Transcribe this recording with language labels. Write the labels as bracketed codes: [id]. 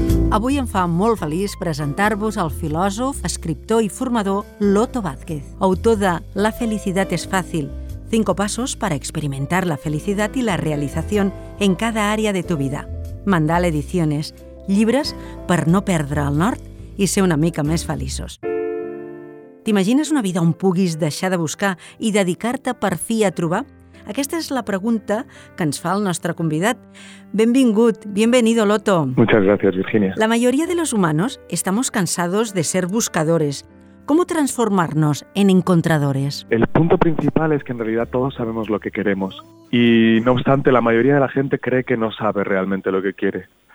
[ca] Avui em fa molt feliç presentar-vos el filòsof, escriptor i formador Loto Vázquez, autor de La felicidad es fácil, 5 pasos para experimentar la felicidad y la realización en cada área de tu vida. Mandala Ediciones, llibres per no perdre el nord i ser una mica més feliços. T'imagines una vida on puguis deixar de buscar i dedicar-te per fi a trobar? Aquesta és la pregunta que ens fa el nostre convidat. Benvingut, [es] bienvenido, [ca] Loto. [es] Muchas gracias, Virginia. La mayoría de los humanos estamos cansados de ser buscadores. ¿Cómo transformarnos en encontradores? El punto principal es que en realidad todos sabemos lo que queremos. Y no obstante, la mayoría de la gente cree que no sabe realmente lo que quiere.